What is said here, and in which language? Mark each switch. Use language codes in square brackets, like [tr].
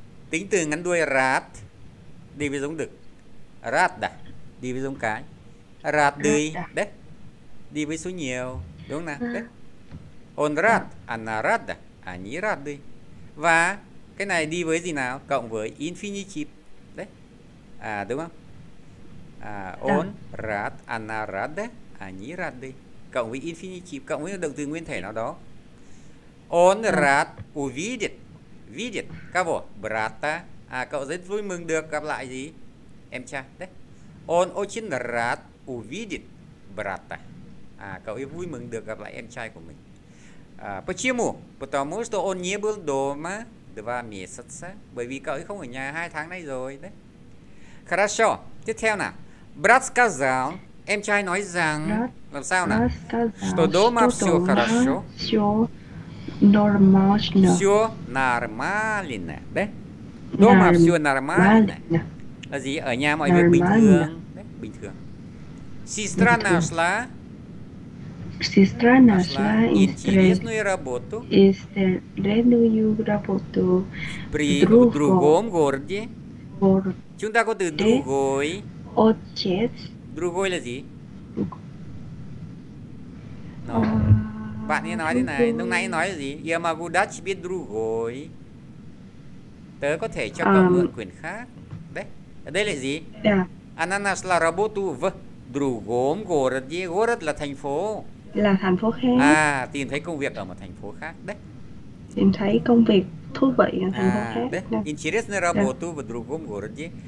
[vi] Tính từ ngắn đuôi рад đi với giống đực. Рада đi với giống cái. Рады đấy đi với số nhiều, đúng không nào? [ru] Đấy. Он рад, она рада, они рады. [vi] Và cái này đi với gì nào? Cộng với infinitive đấy. À đúng không? [ru] À он рад, она рада, они рады. [vi] Cộng với infinitive, cộng với động từ nguyên thể nào đó. [ru] Он рад увидеть кого? Брата. [vi] À, cậu rất vui mừng được gặp lại gì? Em trai. Đấy. [ru] Он очень рад увидеть брата. [vi] À, cậu ấy vui mừng được gặp lại em trai của mình. [ru] À, почему? Потому что он не был дома 2 месяца. [vi] Bởi vì cậu ấy không ở nhà 2 tháng nay rồi. Đấy. [ru] Хорошо. [vi] Tiếp theo nào. [ru] Брат сказал. [vi] Em trai nói rằng làm sao nào? [ru] Что дома всё хорошо? Всё нормально. Всё нормально. Đấy. Дома всё нормально. [vi] Là gì? [ru] Ở nhà mọi việc bình thường. Đấy, bình thường. Сестра нашла. Сестра нашла интересную работу. Интересную работу. При другом городе. [vi] Chúng ta có từ другой. [ru] Отец. [vi] Другой là gì? No. Bạn ấy nói thế này, lúc nãy nói là gì? Yamagudachi biết другой. Tớ có thể cho cậu mượn quyển khác. Đấy, ở đây là gì? Yeah. [ru] Она нашла работу в другом городе. [vi] Город là thành phố. Là thành phố khác. À, tìm thấy công việc ở một thành phố khác. Đấy. Tìm thấy công việc thú vị ở thành phố khác. Đấy. Yeah. [ru] Интересная работа в другом городе.